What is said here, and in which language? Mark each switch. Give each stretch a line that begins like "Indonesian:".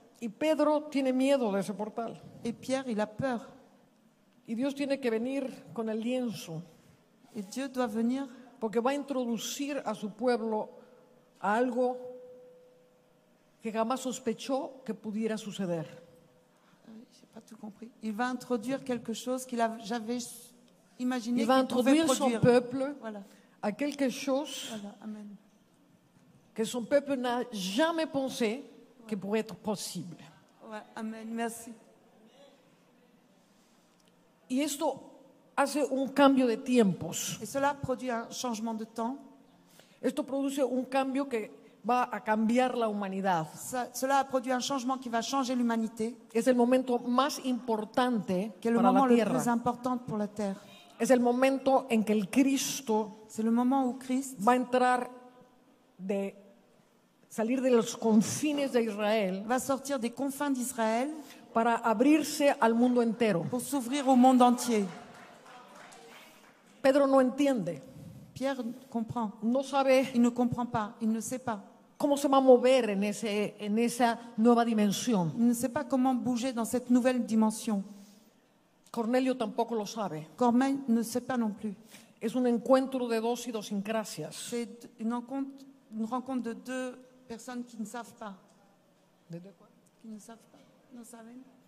Spanish: Y Pedro tiene miedo de ese portal.
French: Et Pierre, il a peur.
Spanish: Y Dios tiene que venir con el lienzo.
French: Et Dieu doit venir.
Spanish: Porque va a introducir a su pueblo a algo que jamás sospechó que pudiera suceder.
French: J'ai pas tout compris. Il va introduire quelque chose qu'il a jamais imaginé. Il va introduire son peuple voilà. À quelque chose voilà. Amen. Que son peuple n'a jamais pensé ouais. Que pourrait être possible. Ouais. Amen. Merci.
Spanish: Y esto hace un cambio de tiempos.
French: Et cela produit un changement de temps.
Spanish: Esto produce un cambio que va a cambiar la humanidad.
French: Cela a produit un changement qui va changer l'humanité.
Spanish: Es el momento más importante
French: que le
Spanish: para
French: moment
Spanish: la Tierra.
French: Le plus important pour la Terre.
Spanish: Es el momento en que el Cristo
French: c'est le moment où Christ
Spanish: va a entrar de salir de los confines de Israel.
French: Va sortir des confins d'Israël
Spanish: para abrirse al mundo entero.
French: Pour s'ouvrir au monde entier.
Spanish: Pedro no entiende.
French: Pierre comprend.
Spanish: No sabe.
French: Il ne comprend pas. Il ne sait pas.
Spanish: ¿Cómo se va a mover en ese en esa nueva dimensión?
French: Il ne sait pas comment bouger dans cette nouvelle dimension.
Spanish: Cornelio tampoco lo sabe.
French: Corneille ne sait pas non plus.
Spanish: Es un encuentro de dos idiosincrasias.
French: C'est une rencontre de deux personnes qui ne savent pas. De deux quoi? Qui ne savent pas.
Spanish: No saben.